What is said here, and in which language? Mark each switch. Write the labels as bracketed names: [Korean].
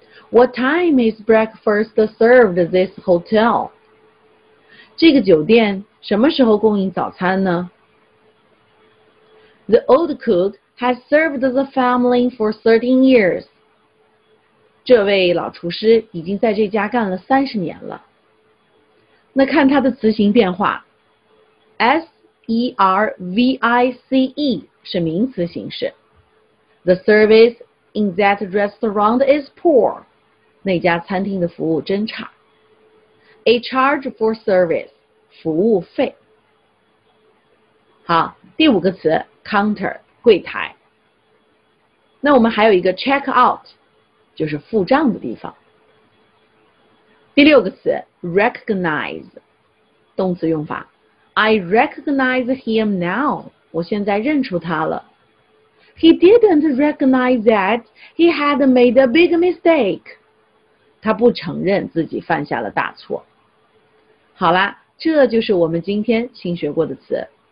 [English] What time is breakfast served at this hotel? [Chinese] 这个酒店什么时候供应早餐呢？ [English] The old cook has served the family for 13 years. [Chinese] 这位老厨师已经在这家干了30年了。那看它的词形变化， S-E-R-V-I-C-E 是名词形式。 [English] The service in that restaurant is poor. [Chinese] 那家餐厅的服务真差。 [English] A charge for service， [Chinese] 服务费。好，第五个词 counter， 柜台。那我们还有一个 check out， 就是付账的地方。第六个词 recognize， 动词用法。 [English] I recognize him now， [Chinese] 我现在认出他了。 [English] He didn't recognize that he had made a big mistake. [Chinese] 他不承认自己犯下了大错。好啦，这就是我们今天新学过的词。